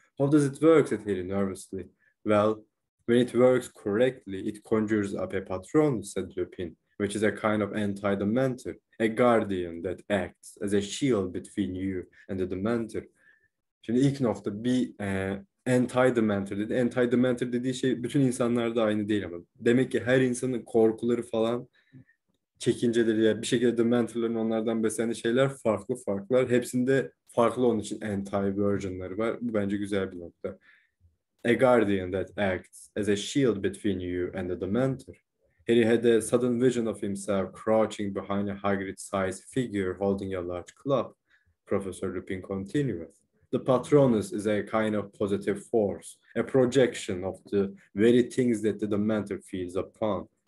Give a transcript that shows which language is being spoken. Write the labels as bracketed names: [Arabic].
[English] How does it work, said Harry nervously. Well, when it works correctly, it conjures up a Patronus, said Lupin, which is a kind of anti-dementor, a guardian that acts as a shield between you and the dementor. [Turkish] Şimdi ilk nokta bir anti-dementor dedi. Anti-dementor dediği şey bütün insanlarda aynı değil ama. Demek ki her insanın korkuları falan, çekinceleri ya bir şekilde dementorların onlardan beslendiği şeyler farklı farklılar. Hepsinde farklı onun için anti-versionları var. Bu bence güzel bir nokta. [English] A guardian that acts as a shield between you and the dementor. Harry had a sudden vision of himself crouching behind a Hagrid-sized figure holding a large club. Professor Lupin continued. The Patronus is a kind of positive force, a projection of the very things that the Dementor feeds upon.